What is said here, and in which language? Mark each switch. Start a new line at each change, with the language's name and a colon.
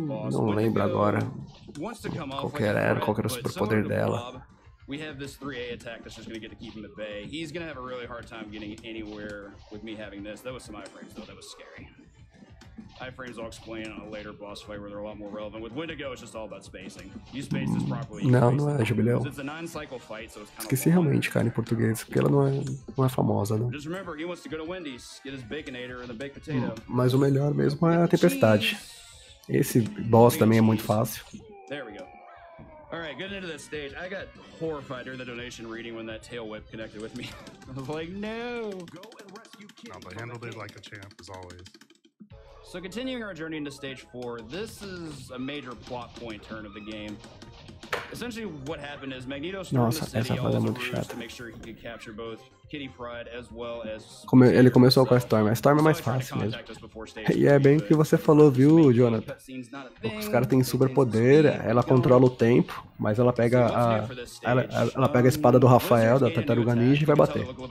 Portuguese: Não lembro agora qual era o superpoder dela.
English: We have this 3A attack that's just going to get to keep him at bay. He's going to have a really hard time getting anywhere with me having this. That was some iframes, though. That was scary. Iframes I'll explain on a later boss fight where they're a lot more relevant. With Wendigo, it's just all about spacing. You space this properly.
Portuguese: Não, não é, Jubileu.
English: It's a non-cycle fight, so it's kind of...
Portuguese: Esqueci realmente, cara, em português, porque ela não é famosa, né?
English: Just remember, he wants to go to Wendy's, get his Baconator and the baked potato.
Portuguese: Mas o melhor mesmo é a Tempestade. Esse boss também é muito fácil.
English: There we go. Alright, getting into this stage. I got horrified during the donation reading when that tail whip connected with me. I was like, no! Go and rescue King. No, but handled it like a champ, as always. So continuing our journey into stage 4, this is a major plot point turn of the game. Essentially what happened is Magneto stormed the city all to make sure he could capture both Kitty Pryde as well as...
Portuguese: Ele começou com a Storm. A Storm é mais fácil mesmo. E é bem o que você falou, viu, Jonathan? Os caras têm super poder, ela controla o tempo, mas ela pega a... Ela pega a espada do Rafael, da Tartaruga Ninja, e vai bater.